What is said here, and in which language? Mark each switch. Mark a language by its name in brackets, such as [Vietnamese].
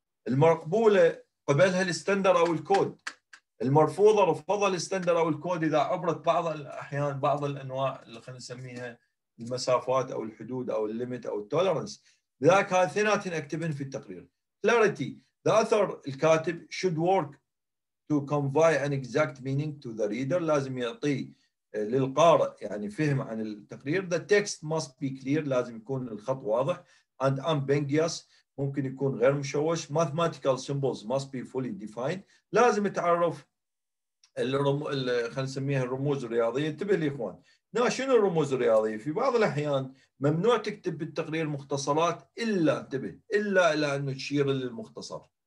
[Arabic] المقبوله قبلها الاستندر او الكود، المرفوضه رفضها الاستندر او الكود اذا عبرت بعض الاحيان بعض الانواع اللي خلينا نسميها المسافات او الحدود او الليمت او التولرنس. لذلك هذه الاثنين اكتبهن في التقرير. كلاريتي، ذا اثر الكاتب شود ورك تو كونفاي ان اكزاكت مينينج تو ذا ريدر، لازم يعطي للقارئ يعني فهم عن التقرير. [English] The text must be clear، لازم يكون الخط واضح. [Arabic] And ambiguous، ممكن يكون غير مشوش. Mathematical symbols must be fully defined، لازم تعرف خلينا نسميها الرموز الرياضية. انتبه لي اخوان، نعم شنو الرموز الرياضية؟ في بعض الأحيان ممنوع تكتب بالتقرير مختصرات إلا انتبه إلا إلى أنه تشير للمختصر.